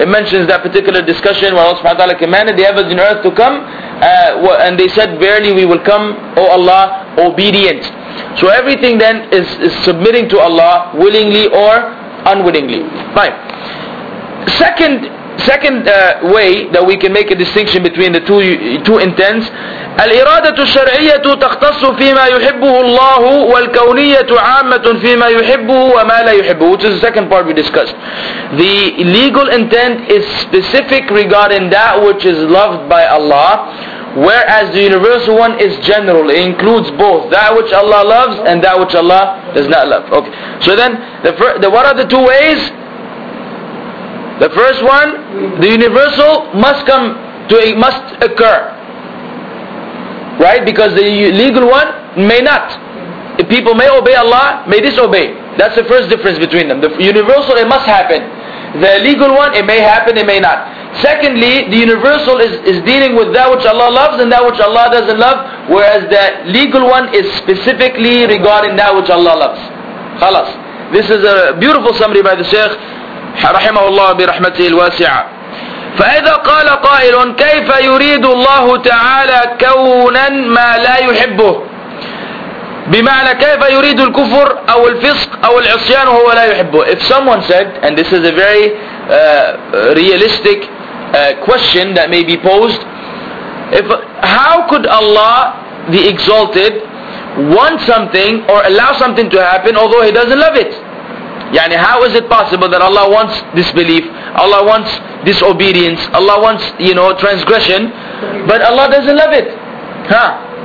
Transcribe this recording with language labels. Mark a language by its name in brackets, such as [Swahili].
[English] It mentions that particular discussion where Allah subhanahu wa ta'ala commanded the heavens and earth to come, and they said, verily we will come, O Allah, obedient. So everything then is submitting to Allah willingly or unwillingly. Fine. Second way that we can make a distinction between the two intents. [Arabic] الإرادة الشرعية تختص فيما يحبه الله والكونية عامة فيما يحبه وما لا يحبه. [English] Which is the second part we discussed. The legal intent is specific regarding that which is loved by Allah, whereas the universal one is general. It includes both that which Allah loves and that which Allah does not love. Okay. So then, what are the two ways? The first one, the universal must occur, right? Because the legal one may not. People may obey Allah, may disobey. That's the first difference between them. The universal, it must happen. The legal one, it may happen, it may not. Secondly, the universal is dealing with that which Allah loves and that which Allah doesn't love, whereas the legal one is specifically regarding that which Allah loves. Khalas. This is a beautiful summary by the Shaykh. [Arabic] رحمه الله برحمته الواسعة. فإذا قال قائل كيف يريد الله تعالى كونا ما لا يحبه، بمعنى كيف يريد الكفر أو الفسق أو العصيان وهو لا يحبه. [English] If someone said, and this is a very realistic question that may be posed, if how could Allah the Exalted want something or allow something to happen although He doesn't love it? Yani how is it possible that Allah wants disbelief, Allah wants disobedience, Allah wants, you know, transgression, but Allah doesn't love it? Huh?